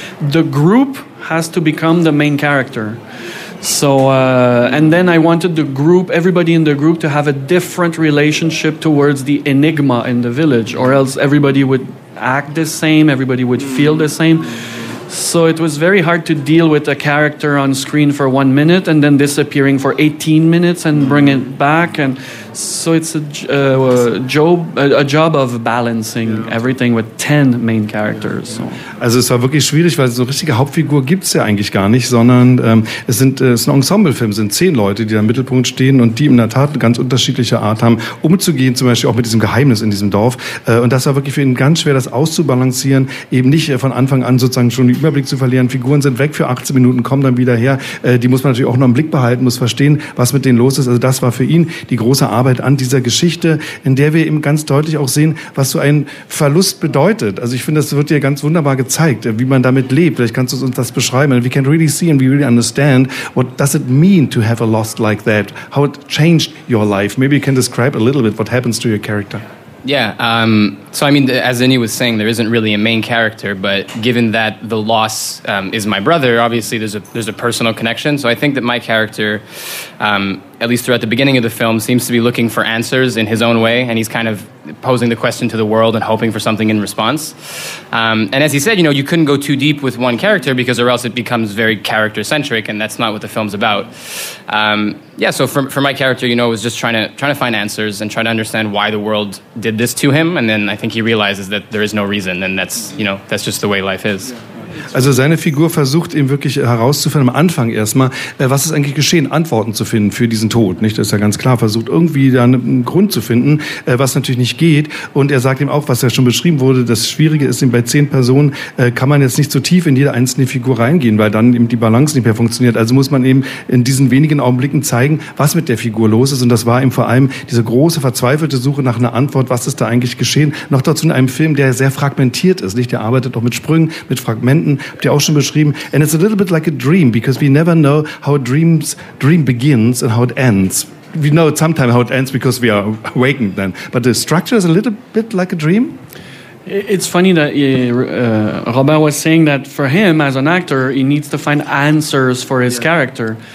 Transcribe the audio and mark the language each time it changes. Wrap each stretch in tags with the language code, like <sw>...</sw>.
<en>The group has to become the main character. So, and then I wanted the group, everybody in the group, to have a different relationship towards the enigma in the village, or else everybody would act the same, everybody would feel the same. So it was very hard to deal with a character on screen for 1 minute and then disappearing for 18 minutes and bring it back. And so it's a job of balancing everything with 10 main characters.</en> <de>Also es war wirklich schwierig, weil so richtige Hauptfigur gibt's ja eigentlich gar nicht, sondern es ist ein Ensemblefilm, es sind 10 Leute, die da im Mittelpunkt stehen und die in der Tat eine ganz unterschiedliche Art haben, umzugehen, zum Beispiel auch mit diesem Geheimnis in diesem Dorf. Und das war wirklich für ihn ganz schwer, das auszubalancieren, eben nicht von Anfang an sozusagen schon den Überblick zu verlieren. Figuren sind weg für 18 Minuten, kommen dann wieder her. Die muss man natürlich auch noch im Blick behalten, muss verstehen, was mit denen los ist. Also das war für ihn die große Arbeit an dieser Geschichte, in der wir eben ganz deutlich auch sehen, was so ein Verlust bedeutet. Also ich finde, das wird dir ganz wunderbar gezeigt, wie man damit lebt. Vielleicht kannst du uns das beschreiben.</de> <en>We can really see and we really understand what does it mean to have a loss like that? How it changed your life? Maybe you can describe a little bit what happens to your character. Yeah, as Zinni was saying, there isn't really a main character, but given that the loss is my brother, obviously there's a personal connection. So I think that my character, at least throughout the beginning of the film, seems to be looking for answers in his own way, and he's kind of posing the question to the world and hoping for something in response. And as he said, you know, you couldn't go too deep with one character because or else it becomes very character-centric, and that's not what the film's about. So for my character, you know, it was just trying to find answers and trying to understand why the world did this to him, and then I think he realizes that there is no reason, and that's, you know, that's just the way life is.</en> <de>Also seine Figur versucht eben wirklich herauszufinden, am Anfang erstmal, was ist eigentlich geschehen, Antworten zu finden für diesen Tod, nicht? Das ist ja ganz klar, versucht irgendwie da einen Grund zu finden, was natürlich nicht geht. Und er sagt ihm auch, was ja schon beschrieben wurde, das Schwierige ist eben bei 10 Personen, kann man jetzt nicht so tief in jede einzelne Figur reingehen, weil dann eben die Balance nicht mehr funktioniert. Also muss man eben in diesen wenigen Augenblicken zeigen, was mit der Figur los ist. Und das war eben vor allem diese große, verzweifelte Suche nach einer Antwort, was ist da eigentlich geschehen. Noch dazu in einem Film, der sehr fragmentiert ist, nicht? Der arbeitet auch mit Sprüngen, mit Fragmenten. Habt ihr auch schon beschrieben.</de> <en>And it's a little bit like a dream, because we never know how dream begins and how it ends. We know sometimes how it ends because we are awakened then. But the structure is a little bit like a dream. It's funny that Robert was saying that for him, as an actor, he needs to find answers for his character.</en>